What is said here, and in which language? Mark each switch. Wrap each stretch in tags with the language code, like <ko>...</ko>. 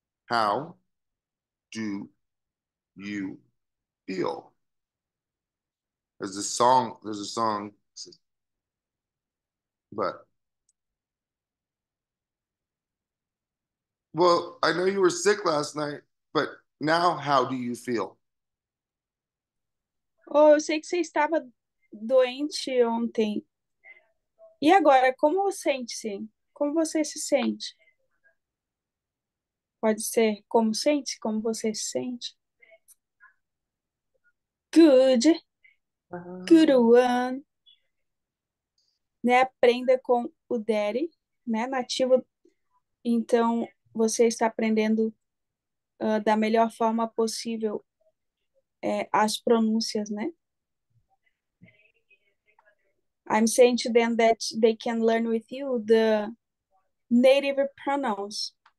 <en>How do you feel? There's a song, but well, I know you were sick last night, but now how do you feel?</en> <pt>Oh, eu sei que você estava doente ontem. E agora, como você sente-se? Como você se sente? Pode ser como sente? Como você se sente?</pt> <en>Good. Good one. Né?</en> <pt>Aprenda com o daddy, né? Nativo. Então, você está aprendendo da melhor forma possível as pronúncias, né?</pt> <en>I'm saying to them that they can learn with you the native pronouns.</en>